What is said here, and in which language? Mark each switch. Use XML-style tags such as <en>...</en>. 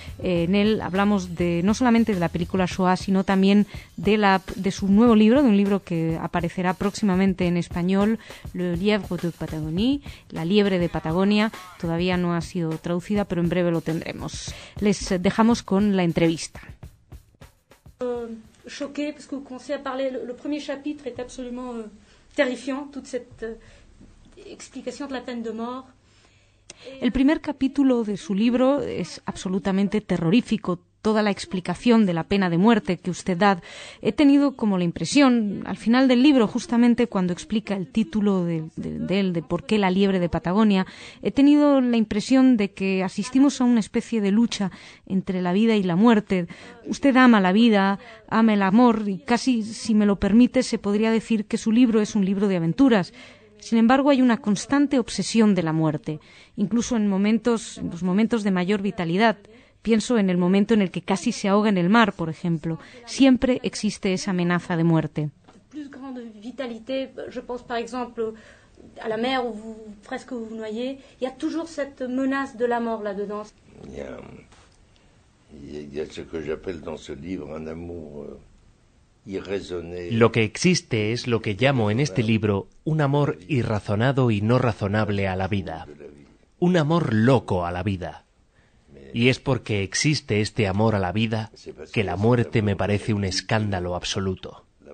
<es>En él hablamos de no solamente de la película Shoah, sino también de su nuevo libro, de un libro que aparecerá próximamente en español, Le Lièvre de Patagonie, La Liebre de Patagonia. Todavía no ha sido traducida, pero en breve lo tendremos. Les dejamos con la entrevista.</es> <fr>Choqué, parce que vous commencez a parler, le premier chapitre est absolument terrifiant, toute cette explication de la peine de mort.</fr> <es>El primer capítulo de su libro es absolutamente terrorífico, toda la explicación de la pena de muerte que usted da. He tenido como la impresión, al final del libro, justamente cuando explica el título de por qué la liebre de Patagonia, he tenido la impresión de que asistimos a una especie de lucha entre la vida y la muerte. Usted ama la vida, ama el amor, y casi, si me lo permite, se podría decir que su libro es un libro de aventuras. Sin embargo, hay una constante obsesión de la muerte, incluso en los momentos de mayor vitalidad. Pienso en el momento en el que casi se ahoga en el mar, por ejemplo. Siempre existe esa amenaza de muerte.</es> <fr>Plus grande vitalité, je pense par exemple à la mer où vous presque vous noyez, il y a toujours cette menace de la mort là-dedans. Il y a ce que j'appelle dans ce livre un amour.</fr> <es>Lo que existe es lo que llamo en este libro un amor irrazonado y no razonable a la vida. Un amor loco a la vida. Y es porque existe este amor a la vida que la muerte me parece un escándalo absoluto.</es>